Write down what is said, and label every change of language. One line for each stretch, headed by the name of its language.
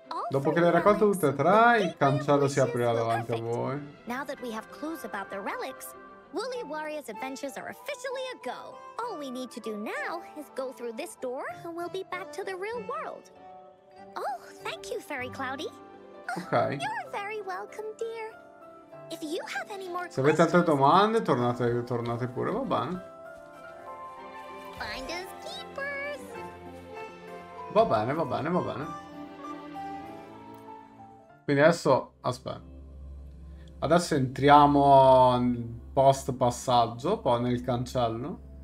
Italian: Dopo che le hai raccolte tutte e tre, il cancello si aprirà davanti a voi.
English: Now that we have clues about the relics, Woolly Warrior's adventures are officially a go. All we need to do now is go through this door and we'll be back to the real world. Oh, thank you, Fairy Cloudy. Ok. You're very welcome, dear. If you have any more questions...
Italian: Se avete altre domande, tornate pure, va bene.
English: Find us keepers.
Italian: Va bene, va bene, va bene. Quindi adesso, aspetta, adesso entriamo nel post passaggio, poi nel cancello.